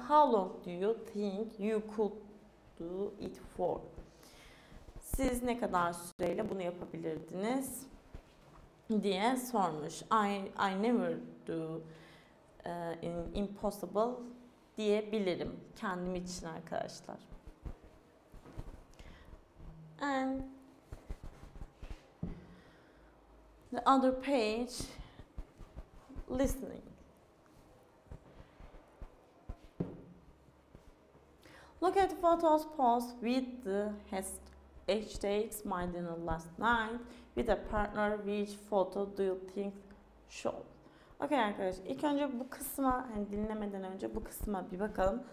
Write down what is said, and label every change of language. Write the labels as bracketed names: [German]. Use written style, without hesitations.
[English] How long do you think you could do it for? [Turkish] Siz ne kadar süreyle bunu yapabilirdiniz diye sormuş. [English] I never do impossible [Turkish] diyebilirim kendim için arkadaşlar. [English] And the other page, listening. Look at the photos posted with the hashtags my dinner last night with a partner. Which photo do you think show? [Turkish] Okay arkadaşlar, ilk önce bu kısma, hani dinlemeden önce bu kısma bir bakalım.